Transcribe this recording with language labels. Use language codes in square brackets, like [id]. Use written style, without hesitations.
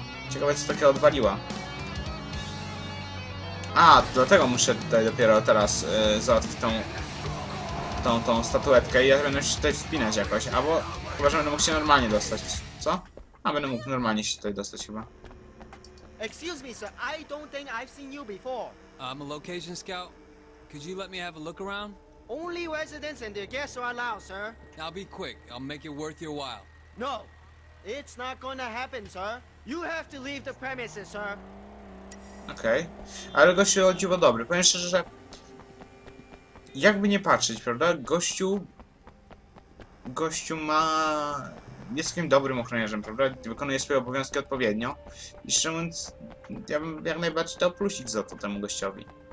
[pl] Ciekawe co takie odwaliła. A, dlatego muszę tutaj dopiero teraz załatwić tą statuetkę i ja będę się tutaj wspinać jakoś, albo chyba, że będę mógł się normalnie dostać, co? A będę mógł normalnie się tutaj dostać chyba. [en] Excuse me, sir, I don't think I've seen you before. I'm a location scout. Could you let me have a look around? Only residents and their guests are allowed, sir. I'll be quick, I'll make it worth your while. No, it's not gonna happen, sir. You have to leave the premises, sir. [pl] Okej, okay. Ale gościu o dziwo dobry. Powiem szczerze, że jakby nie patrzeć, prawda? Gościu ma... jest takim dobrym ochroniarzem, prawda? Wykonuje swoje obowiązki odpowiednio. I szczerze mówiąc, ja bym jak najbardziej dał plusik za to temu gościowi.